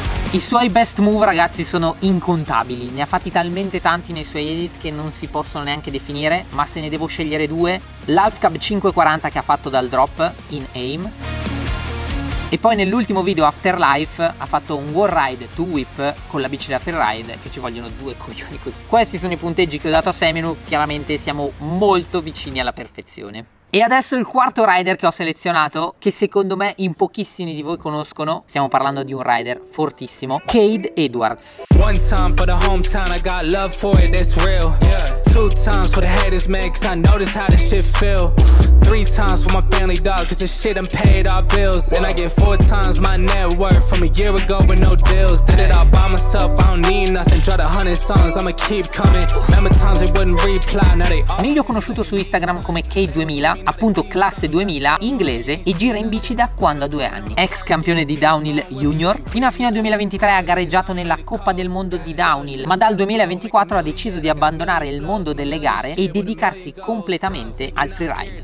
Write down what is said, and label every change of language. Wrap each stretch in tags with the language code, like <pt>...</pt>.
<it>I suoi best move, ragazzi, sono incontabili. Ne ha fatti talmente tanti nei suoi edit che non si possono neanche definire, ma se ne devo scegliere due, l'Half Cab 540 che ha fatto dal drop in aim, e poi nell'ultimo video Afterlife ha fatto un wall ride to whip con la bici da freeride, che ci vogliono due coglioni così. Questi sono i punteggi che ho dato a Semenuk, chiaramente siamo molto vicini alla perfezione. E adesso il quarto rider che ho selezionato, che secondo me in pochissimi di voi conoscono, stiamo parlando di un rider fortissimo, Cade Edwards.</it> <en>One time for the hometown, I got love for it, that's real. Two times for the haters, man, cause I notice how this shit feel. Three times for my family, dog, cause this shit done paid our bills. And I get four times my net worth from a year ago with no deals. Did it all by myself, I don't need nothing. Drop a 100 songs, I'ma keep coming. Remember times they wouldn't reply, now they all...</en> <it>Meglio conosciuto su Instagram come K2000, appunto classe 2000, inglese, e gira in bici da quando ha 2 anni. Ex campione di downhill junior, fino a fine 2023 ha gareggiato nella Coppa del Mondo di downhill, ma dal 2024 ha deciso di abbandonare il mondo delle gare e dedicarsi completamente al freeride.</it>